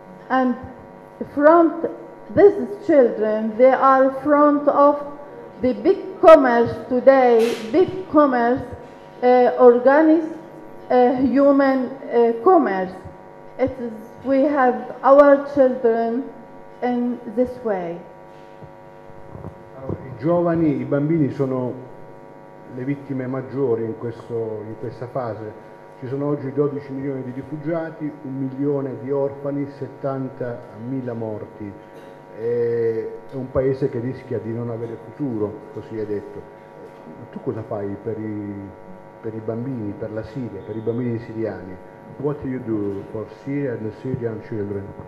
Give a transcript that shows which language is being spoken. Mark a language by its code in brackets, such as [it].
[en] And from these children, they are front of the big commerce today, big commerce, organic human commerce. It is, we have our children in this way. [it] I giovani, i bambini sono le vittime maggiori in questo, in questa fase. Ci sono oggi 12 milioni di rifugiati, 1 milione di orfani, 70.000 morti. È un paese che rischia di non avere futuro, così è detto. Ma tu cosa fai per i bambini, per la Siria, per i bambini siriani? [en] What do you do for Syria and the Syrian children?